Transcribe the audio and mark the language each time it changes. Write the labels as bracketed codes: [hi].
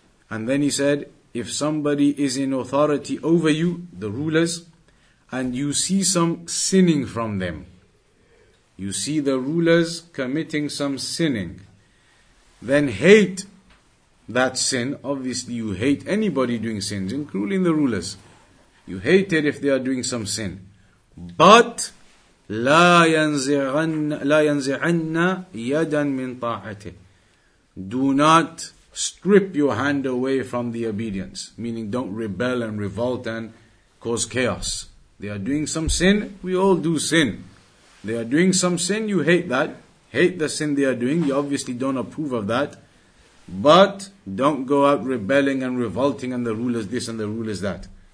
[en] And then he said, if somebody is in authority over you, the rulers, and you see some sinning from them, you see the rulers committing some sinning, then hate that sin. Obviously you hate anybody doing sins, including the rulers. You hate it if they are doing some sin. But [ar] لا ينزعن يدا من طاعته. [en] Do not strip your hand away from the obedience. Meaning don't rebel and revolt and cause chaos. They are doing some sin, we all do sin. They are doing some sin, you hate that. Hate the sin they are doing, you obviously don't approve of that. But don't go out rebelling and revolting and the rulers this and the rulers that.